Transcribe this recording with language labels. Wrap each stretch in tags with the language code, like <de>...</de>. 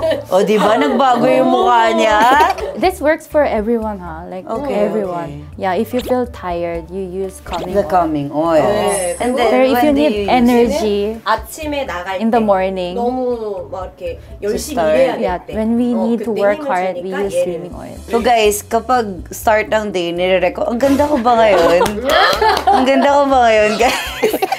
<tl>Oh, di ba nagbago yung mukha niya?</tl> <en>This works for everyone, huh? Like okay, everyone. Okay. Yeah, if you feel tired, you use calming oil. The calming oil. Yeah. Yeah. And then, if you need you energy,</en> <ko>a침에 나갈 때,</ko> <en>in the morning,</en> <ko>너무 막 이렇게 열심히 일해야 될 때,</ko> <en>yeah, when we need to work hard, we use calming oil.</en> <tl>So guys, kapag start ng day, nire-reco, ang ganda ko ba ngayon? Ang ganda ko ba ngayon, guys?</tl>